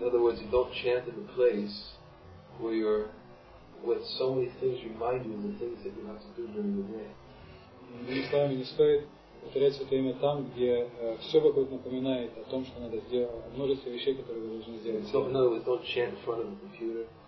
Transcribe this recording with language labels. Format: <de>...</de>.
<en>In other words, you don't chant in a place where you're with so many things you might do and the things that you have to do during the day.</en> <ru>Не ставим, не стоит повторять свое время там, где все вокруг напоминает о том, что надо сделать, о множестве вещей, которые вы должны сделать.</ru> <en>So, in other words, don't chant in front of the computer.</en>